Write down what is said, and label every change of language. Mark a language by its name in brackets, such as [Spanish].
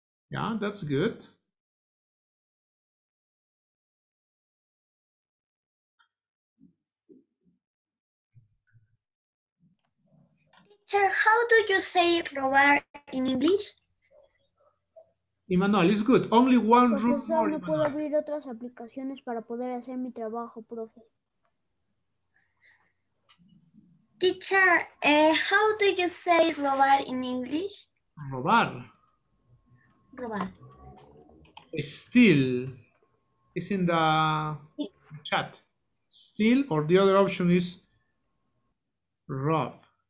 [English] Yeah, that's good. Teacher, how do you say robar in English? Emmanuel, it's good. Only one [Spanish] profesor, [English] room more. [Spanish] No puedo abrir otras aplicaciones para poder hacer mi trabajo, profe. [English] Teacher, how do you say robar in English? [Spanish] Robar. Robar. [English] Steal. It's in the chat. Steal, or the other option is rob.